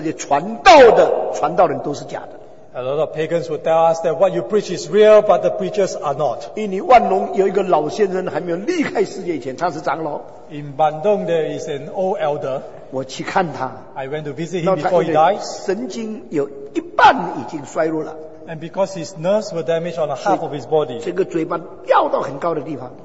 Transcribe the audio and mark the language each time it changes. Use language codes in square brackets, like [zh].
[zh] 有多少外邦人告诉我们，你们传道人所传道的都是真的，但你们这些传道的传道人都是假的。 [en] A lot of pagans would tell us that what you preach is real, but the preachers are not. [zh] 印尼万隆有一个老先生还没有离开世界以前，他是长老。 [en] In Bandung, there is an old elder. [zh] 我去看他。 [en] I went to visit him before he died. [zh] 神经有一半已经衰弱了。 [en] And because his nerves were damaged on half of his body. [zh] 这个嘴巴掉到很高的地方。